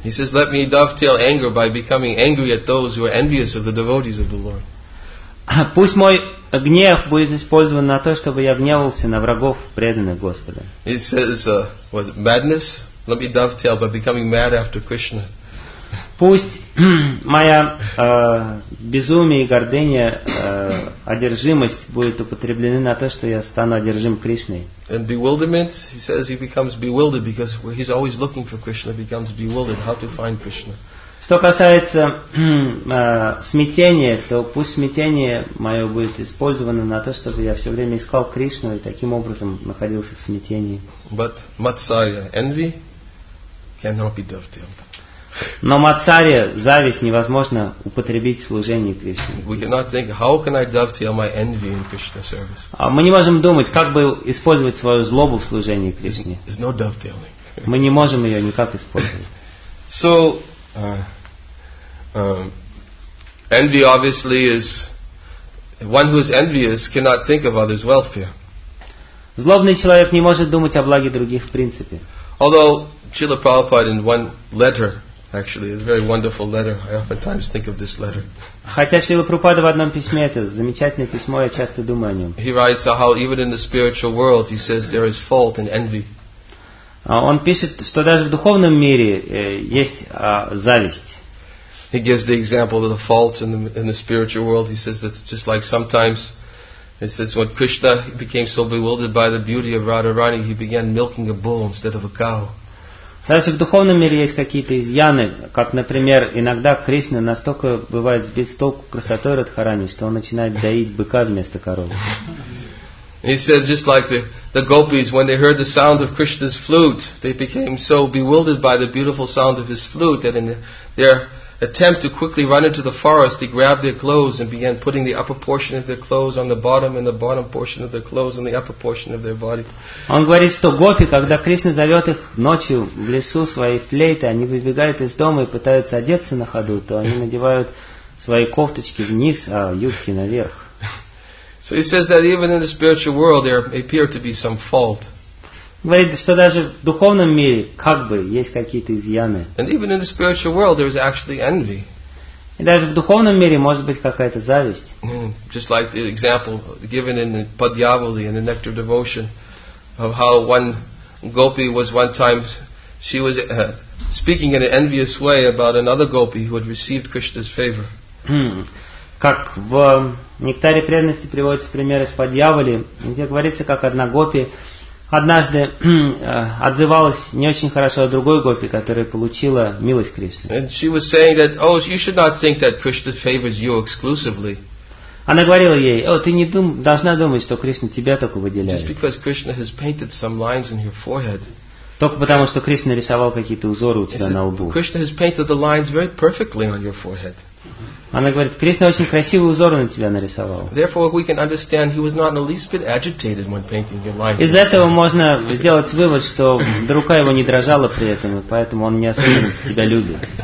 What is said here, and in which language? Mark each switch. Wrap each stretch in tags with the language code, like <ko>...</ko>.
<en>He says, let me dovetail anger by becoming angry at those who are envious of the devotees of the Lord.</en> <ru>Пусть мой гнев будет использован на то, чтобы я гневался на врагов преданных Господа.</ru> <en>He says, madness, let me dovetail by becoming mad after Krishna.</en> <ru>Пусть моя безумие и гордыня, одержимость будет употреблены на то, что я стану одержим Кришной.</ru> <en>And bewilderment, he says, he becomes bewildered because he's always looking for Krishna, becomes bewildered how to find Krishna.</en> <ru>Что касается смятения, то пусть смятение мое будет использовано на то, чтобы я все время искал Кришну и таким образом находился в смятении.</ru> <en>But matsarya, envy, cannot be dovetailed.</en> <ru>Но матсарья, зависть, невозможно употребить в служении Кришне.</ru> <en>We cannot think, how can I dovetail my envy in Krishna service?</en> <ru>Мы не можем думать, как бы использовать свою злобу в служении Кришне.</ru> <en>There's no dovetailing.</en> <ru>Мы не можем ее никак использовать.</ru> <en>So, envy obviously is one who is envious cannot think of others' welfare.</en> <ru>Злобный человек не может думать о благе других в принципе.</ru> <en>Although Srila Prabhupada in one letter, actually it's a very wonderful letter, I oftentimes think of this letter.</en> <ru>Хотя Шрила Прабхупада в одном письме, это замечательное письмо, я часто думаю о нем.</ru> <en>He writes how even in the spiritual world, he says there is fault in envy.</en> <ru>Он пишет, что даже в духовном мире есть зависть.</ru> <en>He gives the example of the faults in the spiritual world. He says that just like sometimes, he says when Krishna became so bewildered by the beauty of Radharani, he began milking a bull instead of a cow.</en> <ru>Даже в духовном мире есть какие-то изъяны, как, например, иногда Кришна настолько бывает сбит с толку красотой Радхарани, что он начинает доить быка вместо коровы.</ru> <en>He said, just like the gopis, when they heard the sound of Krishna's flute, they became so bewildered by the beautiful sound of his flute that in their attempt to quickly run into the forest, they grabbed their clothes and began putting the upper portion of their clothes on the bottom and the bottom portion of their clothes on the upper portion of their body.</en> <ru>Он говорит, что гопи, когда Кришна зовет их ночью в лесу своей флейтой, они выбегают из дома и пытаются одеться на ходу, то они надевают свои кофточки вниз, а юбки наверх.</ru> <en>So he says that even in the spiritual world there appear to be some fault.</en> <ru>Говорит, что даже в духовном мире как бы есть какие-то изъяны.</ru> <en>And even in the spiritual world there is actually envy.</en> <ru>И даже в духовном мире может быть какая-то зависть.</ru> <en>Mm, just like the example given in the Padyavali and the Nectar Devotion of how one gopi was one time, she was speaking in an envious way about another gopi who had received Krishna's favor.</en> <ru>Как в «Нектаре преданности» приводится пример из Падьяволи, где говорится, как одна гопи однажды отзывалась не очень хорошо о другой гопи, которая получила милость Кришны.</ru> <en>And she was saying that, oh, you should not think that Krishna favors you exclusively.</en> <ru>Она говорила ей, о, ты не должна думать, что Кришна тебя только выделяет.</ru> <en>Just because Krishna has painted some lines in your forehead.</en> <ru>Только потому, что Кришна рисовал какие-то узоры у тебя на лбу.</ru> <en>Krishna has painted the lines very perfectly on your forehead.</en> <ru>Она говорит, Кришна очень красивый узор на тебя нарисовал.</ru> <en>Therefore, we can understand he was not in the least bit agitated when painting your lines.</en> <ru>Из этого можно сделать вывод, что рука его не дрожала при этом, и поэтому он не особенно тебя любит.</ru>